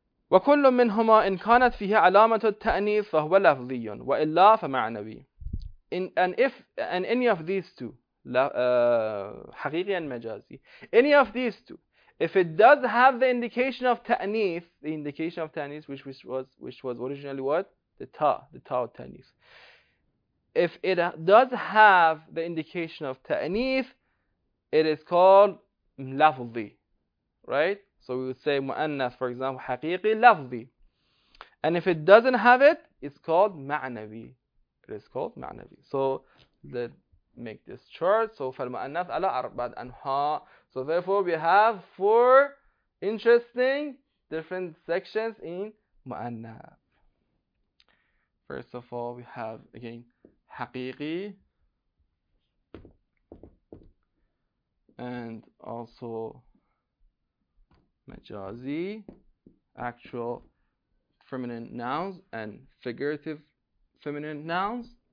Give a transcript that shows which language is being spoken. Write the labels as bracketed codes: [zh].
[ar] وكل منهما إن كانت فيها علامة التأنيث فهو لفظي وإلا فمعنوي. [en] And if and any of these two, حقيقي and majazi, any of these two, if it does have the indication of ta'anith, the indication of ta'anith, which was originally what? The ta of ta'anith. If it does have the indication of ta'anith, it is called lafzi, right? So we would say mu'annath, for example, haqiqi lafzi. And if it doesn't have it, it's called ma'navi. It is called ma'navi. So let's make this chart. [ar] So فالمؤنث على أربعة أنحاء. [en] So therefore, we have four interesting different sections in mu'annath. First of all, we have, again, haqiqi. And also, majazi, actual feminine nouns and figurative feminine nouns.